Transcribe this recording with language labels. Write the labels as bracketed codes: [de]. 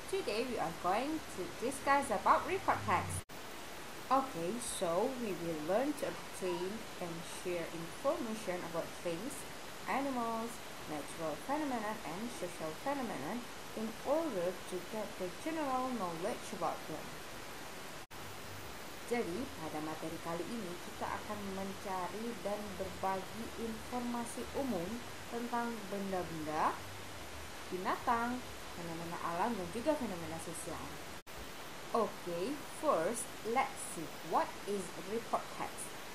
[en] Today we are going to discuss about report tags. Okay, so we will learn to obtain and share information about things, animals, natural phenomena, and social phenomena in order to get the general knowledge about them. [id] Jadi, pada materi kali ini kita akan mencari dan berbagi informasi umum tentang benda-benda, binatang, fenomena alam, dan juga fenomena sosial. [en] Okay, first, let's see what is report text.